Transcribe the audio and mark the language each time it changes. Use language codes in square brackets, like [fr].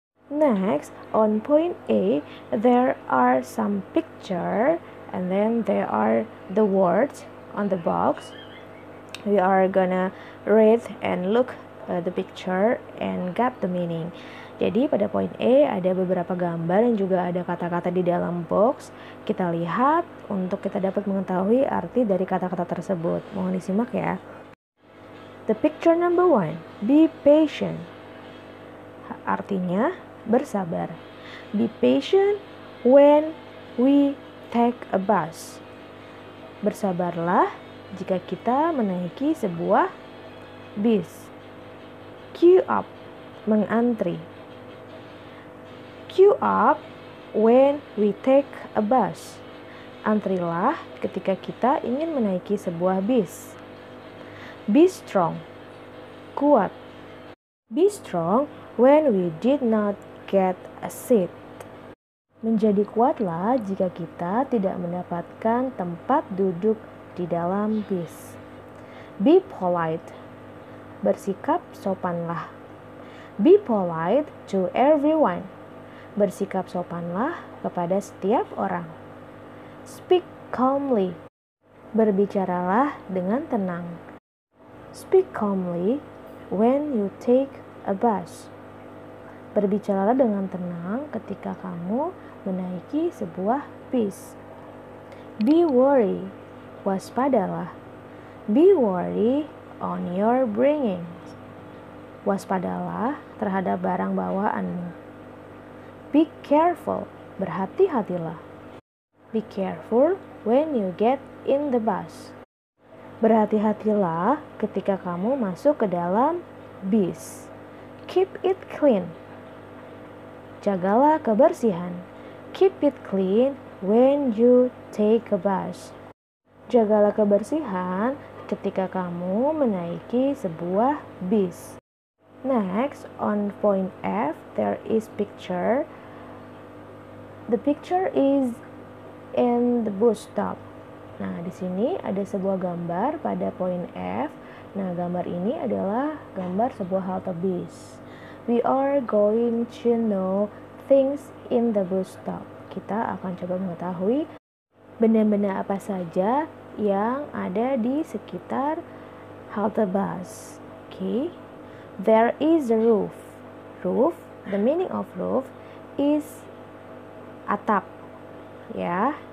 [en] Next, on point A, there are some picture, and then there are the words on the box. We are gonna read and look the picture and get the meaning. [id] Jadi pada point A ada beberapa gambar dan juga ada kata-kata di dalam box. Kita lihat untuk kita dapat mengetahui arti dari kata-kata tersebut. [en] Mohon disimak ya. The picture number one, be patient. artinya bersabar. Be patient when we take a bus. [id] Bersabarlah jika kita menaiki sebuah bis. [en] Queue up, mengantri. Queue up when we take a bus. [id] Antrilah ketika kita ingin menaiki sebuah bis. [en] Be strong, kuat. Be strong when we did not get a seat. [id] Menjadi kuatlah jika kita tidak mendapatkan tempat duduk di dalam bis. [en] Be polite, bersikap sopanlah. [id] Be polite to everyone, bersikap sopanlah kepada setiap orang. Speak calmly, berbicaralah dengan tenang. [en] Speak calmly when you take a bus. [id] Berbicaralah dengan tenang ketika kamu menaiki sebuah bis. [en] Be wary, waspadalah. Be wary on your bringings. [id] Waspadalah terhadap barang bawaanmu. [en] Be careful, berhati-hatilah. Be careful when you get in the bus. [id] Berhati-hatilah ketika kamu masuk ke dalam bis. Keep it clean. [en] Jagalah kebersihan. Keep it clean when you take a bus. [id] Jagalah kebersihan ketika kamu menaiki sebuah bis. [en] Next, on point F, there is picture. The picture is in the bus stop. [id] Nah, di sini ada sebuah gambar pada point F. Nah, gambar ini adalah gambar sebuah halte bis. [en] We are going to know things in the bus stop. [id] Kita akan coba mengetahui benda-benda apa saja yang ada di sekitar halte bus. Okay. [en] There is a roof. Roof, the meaning of roof is atap. Yeah.